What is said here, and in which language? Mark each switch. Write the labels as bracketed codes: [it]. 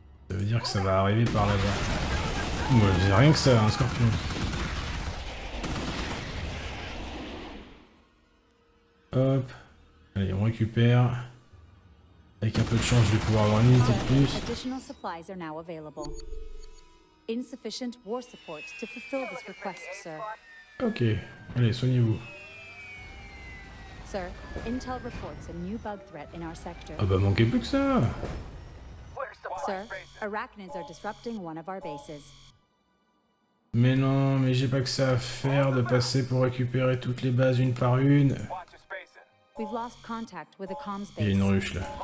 [fr] Ça veut dire que ça va arriver par là-bas. Moi, j'ai rien que ça, un scorpion. Hop. Allez, on récupère. Avec un peu de chance, je vais pouvoir avoir une unité de plus. [en] Insufficient war support to fulfill this request, sir. [fr] Ok, allez, soignez-vous. [en] Sir, Intel reports a new bug threat in our sector. [fr] Ah bah manquez plus que ça. [en] Sir, arachnids are disrupting one of our bases. [fr] Mais non, mais j'ai pas que ça à faire de passer pour récupérer toutes les bases une par une. [en] We've lost contact with a comms base. [fr] Il y a une ruche là.